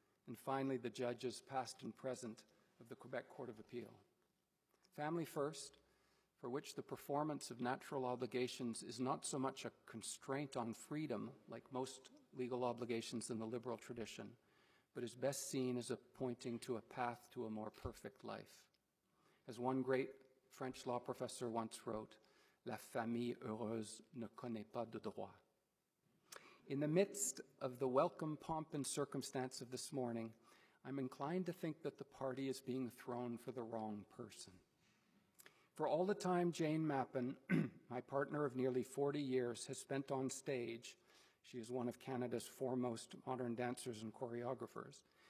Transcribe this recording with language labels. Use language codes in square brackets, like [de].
[en] And finally, the judges past and present of the Quebec Court of Appeal. Family first, for which the performance of natural obligations is not so much a constraint on freedom, like most legal obligations in the liberal tradition, but is best seen as a pointing to a path to a more perfect life. As one great French law professor once wrote, [fr] la famille heureuse ne connaît pas de droit. [en] In the midst of the welcome pomp and circumstance of this morning, I'm inclined to think that the party is being thrown for the wrong person. For all the time Jane Mappin, my partner of nearly 40 years, has spent on stage, she is one of Canada's foremost modern dancers and choreographers.